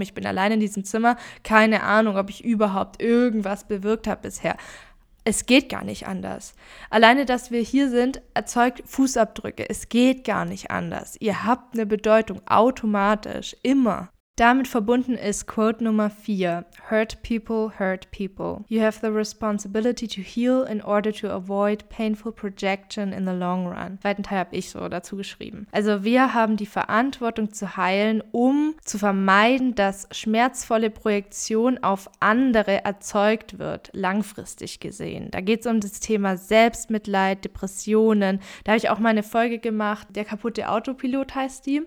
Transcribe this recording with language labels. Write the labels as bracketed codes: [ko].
[de] Ich bin allein in diesem Zimmer. Keine Ahnung, ob ich überhaupt irgendwas bewirkt habe bisher. Es geht gar nicht anders. Alleine, dass wir hier sind, erzeugt Fußabdrücke. Es geht gar nicht anders. Ihr habt eine Bedeutung, automatisch, immer. Damit verbunden ist Quote Nummer 4. [en] Hurt people hurt people. You have the responsibility to heal in order to avoid painful projection in the long run. [de] Zweiten Teil habe ich so dazu geschrieben. Also wir haben die Verantwortung zu heilen, um zu vermeiden, dass schmerzvolle Projektion auf andere erzeugt wird, langfristig gesehen. Da geht es um das Thema Selbstmitleid, Depressionen. Da habe ich auch mal eine Folge gemacht, der kaputte Autopilot heißt die.